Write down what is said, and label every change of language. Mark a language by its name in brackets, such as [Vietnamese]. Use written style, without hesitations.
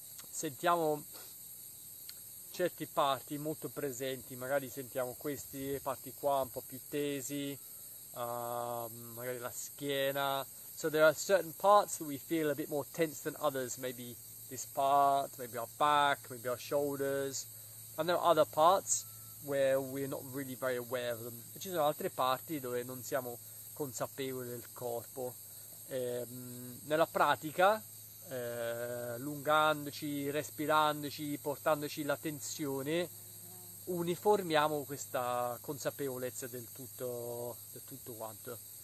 [Italian] Sentiamo certe parti molto presenti, magari sentiamo queste parti qua un po' più tesi, magari la schiena. [English] So there are certain parts that we feel a bit more tense than others, maybe this part, maybe our back, maybe our shoulders. And there are other parts where we're not really very aware of them. [Italian] Ci sono altre parti dove non siamo consapevoli del corpo. Nella pratica, allungandoci, respirandoci, portandoci l'attenzione, uniformiamo questa consapevolezza del tutto quanto.